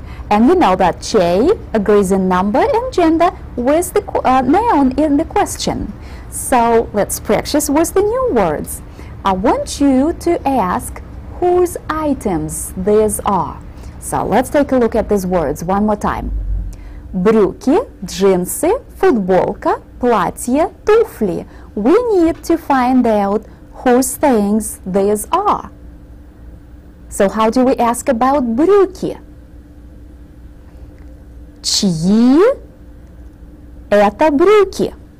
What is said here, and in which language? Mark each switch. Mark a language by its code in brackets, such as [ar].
[en] And you know that чей agrees in number and gender with the noun in the question. So let's practice with the new words. I want you to ask whose items these are. So let's take a look at these words one more time. [ru] Брюки, джинсы, футболка, платье, туфли. [en] We need to find out whose things these are. So how do we ask about брюки? [ru] Чьи это брюки?